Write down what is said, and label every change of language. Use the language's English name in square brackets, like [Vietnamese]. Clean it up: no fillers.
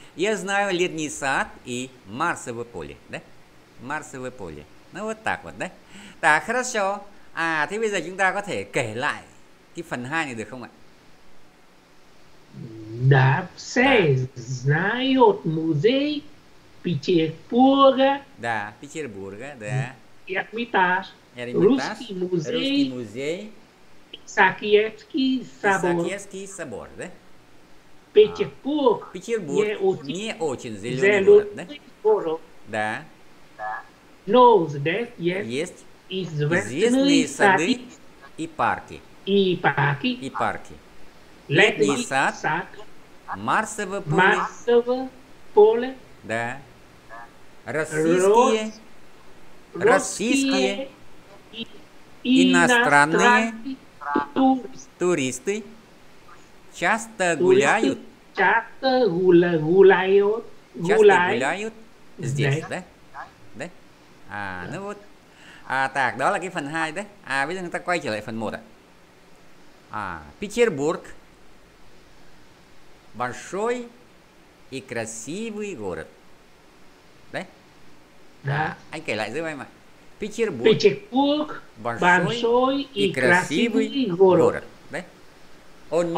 [Russian] Я знаю летний сад и Марсовое поле, да? Марсовое поле. Ну вот так вот, да? Так, хорошо. [Vietnamese] А, thế bây giờ chúng ta có thể kể lại cái phần 2 này được không ạ? Đạp [Russian] Да. xe знает музей Петербурга Да, Петербурга, Эрмитаж, да. Эрмитаж, Эрмитаж, русский музей музей. Исаакиевский собор. Исаакиевский собор, да? А. Петербург Петербург не очень зеленый город, зелёный да? город. Да. Но здесь есть Есть известные известные сады сады и парки. и парки. И парки. Летний Летний сад, сад. Марсово поле. Массовое поле. Да. Российские, Русские российские, иностранные иностранные туристы часто туристы гуляют. часто гуляют Часто гуляют гуляют здесь, здесь. да? [Vietnamese] Đấy. [Russian] À, ну вот. [Vietnamese] À, [Russian] так, [Vietnamese] đó là cái phần 2 đấy. À, bây giờ người ta quay trở lại phần 1 ạ. [Russian] À, Петербург. Большой и красивый город. [Vietnamese] Đấy. [Russian] Да. [Vietnamese] À, anh kể lại giúp em ạ. Петербург. [Russian] Петербург Большой большой и и красивый красивый город. город. [Vietnamese] Đấy. [Russian] Он не